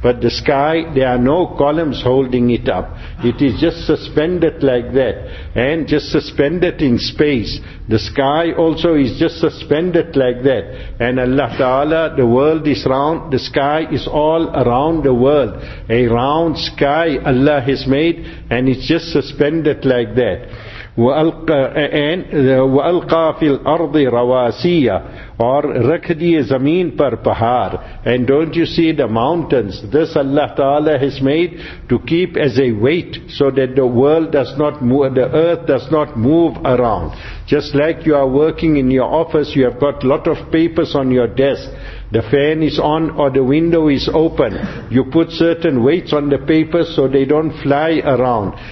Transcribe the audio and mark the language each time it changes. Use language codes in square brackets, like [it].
[en] But the sky, there are no columns holding it up. It is just suspended like that, and just suspended in space. The sky also is just suspended like that. And Allah Ta'ala, the world is round, the sky is all around the world. A round sky Allah has made, and it's just suspended like that. [ar] وَأَلْقَى فِي الْأَرْضِ رَوَاسِيَ, [ur] اور رکھ دیئے زمین پر پہار. [en] And don't you see the mountains? This Allah Ta'ala has made to keep as a weight, so that the world does not move, the earth does not move around. Just like you are working in your office, you have got lot of papers on your desk. The fan is on or the window is open. You put certain weights on the paper so they don't fly around.